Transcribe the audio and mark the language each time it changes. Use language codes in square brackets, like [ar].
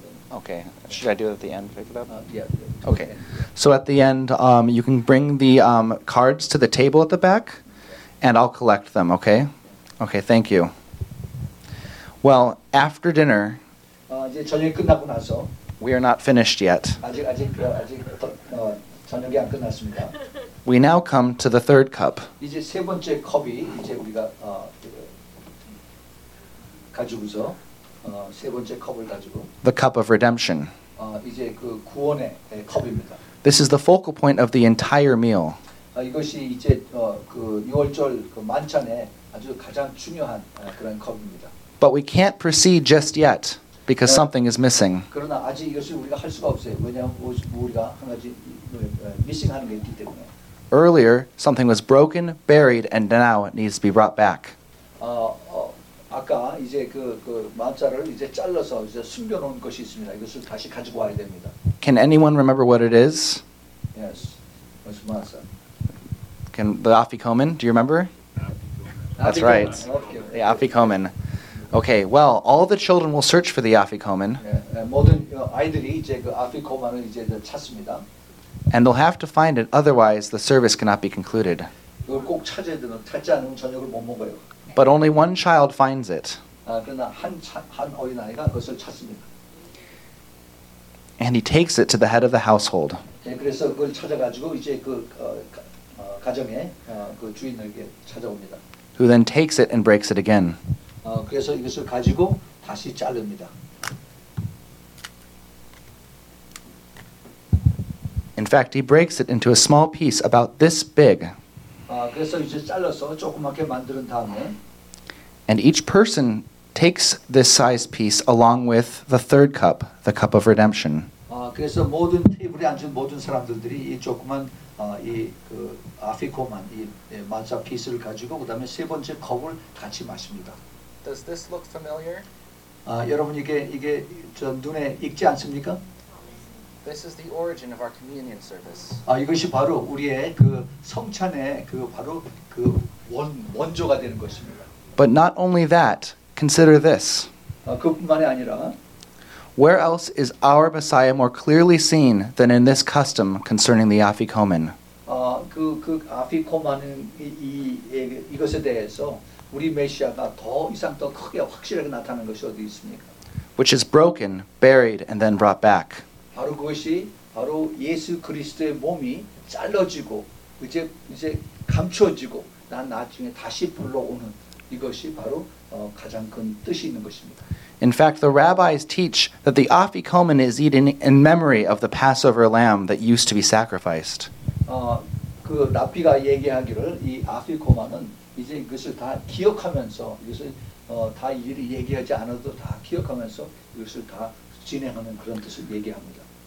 [en] Okay, should I do it at the end? Pick it up? Yeah. Okay. So at the end, you can bring the cards to the table at the back, and I'll collect them, okay? Okay, thank you. Well, after dinner, [ko] 이제 저녁이 끝나고 나서, [en] we are not finished yet. [ko] 아직 저녁이 안 끝났습니다. [en] We now come to the third cup. [ko] 이제 세 번째 컵이 이제 우리가 가지고서 세 번째 컵을 가지고 [en] the cup of redemption. [ko] 이제 그 구원의 컵입니다. [en] This is the focal point of the entire meal. [ko] 이것이 이제 그 유월절 그 만찬에 아주 가장 중요한 그런 컵입니다. [en] But we can't proceed just yet because something is missing. [ko] 그러나 아직 이것을 우리가 할 수가 없어요. 왜냐하면 우리가 한 가지 미싱하는 게 있기 때문에. [en] Earlier, something was broken, buried, and now it needs to be brought back. [ko] 아까 이제 그 만찬을 이제 잘라서 이제 숨겨놓은 것이 있습니다. 이것을 다시 가지고 와야 됩니다. [en] Can anyone remember what it is? Yes, [ko] 무슨 만찬? [en] Can the afikoman? Do you remember? That's right. The afikoman. Okay. Well, all the children will search for the afikoman. [ko] 모든 아이들이 이제 그 afikoman을 이제 찾습니다. [en] And they'll have to find it, otherwise the service cannot be concluded. [ko] 이걸 꼭 찾아야 되는 찾지 않으면 저녁을 못 먹어요. [en] But only one child finds it. [ko] 그러나 한 어린 아이가 그것을 찾습니다. [en] And he takes it to the head of the household. [ko] 그래서 그걸 찾아가지고 이제 그 가정의 그 주인에게 찾아옵니다. [en] Who then takes it and breaks it again. [ko] 그래서 이것을 가지고 다시 자릅니다. [en] In fact, he breaks it into a small piece about this big. [ko] 그래서 이제 잘라서 조그맣게 만든 다음에 [en] And each person takes this size piece along with the third cup, the cup of redemption. [ko] 그래서 모든 테이블에 앉은 모든 사람들이 이 조그만 이그 아피코만 이 만사 피스를 가지고 그다음에 세 번째 컵을 같이 마십니다. [en] Does this look familiar? [ko] 여러분 이게 저 눈에 익지 않습니까? [en] This is the origin of our communion service. [ko] 이것이 바로 우리의 그 성찬의 그 바로 그 원조가 되는 것입니다. [en] But not only that, consider this. [ko] 그뿐만이 아니라 [en] Where else is our Messiah more clearly seen than in this custom concerning the afikoman? [ko] 그 아피코만은 이것에 대해서 우리 메시아가 더 이상 더 크게 확실하게 나타난 것이 어디 있습니까? [en] Which is broken, buried, and then brought back. [ko] 바로 그것이 바로 예수 그리스도의 몸이 잘려지고 이제 감추어지고 난 나중에 다시 불러오는 이것이 바로 가장 큰 뜻이 있는 것입니다. [en] In fact, the rabbis teach that the afikoman is eaten in memory of the Passover lamb that used to be sacrificed. [ko] 그 랍비가 얘기하기를 이 아피코만은 이제 이것을 다 기억하면서 이것을 다 일을 얘기하지 않아도 다 기억하면서 이것을 다 진행하는 그런 뜻을 얘기합니다.